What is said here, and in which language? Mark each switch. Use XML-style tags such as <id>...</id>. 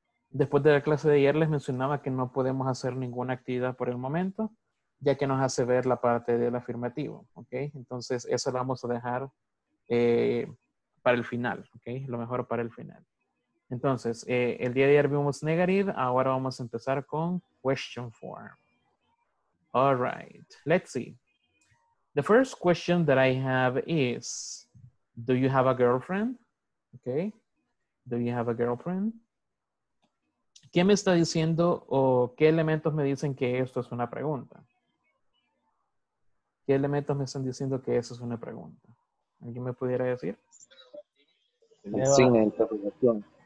<es>Después de la clase de ayer les mencionaba que no podemos hacer ninguna actividad por el momento, ya que nos hace ver la parte del afirmativo, ¿ok? Entonces, eso lo vamos a dejar para el final, ¿ok? Lo mejor para el final. Entonces, el día de ayer vimos negative, ahora vamos a empezar con question form.</es> <en>All right, let's see. The first question that I have is, do you have a girlfriend? ¿Ok? Do you have a girlfriend?</en> <es>¿Qué me está diciendo o qué elementos me dicen que esto es una pregunta? ¿Qué elementos me están diciendo que eso es una pregunta? ¿Alguien me pudiera decir? Signo de interrogación.</es>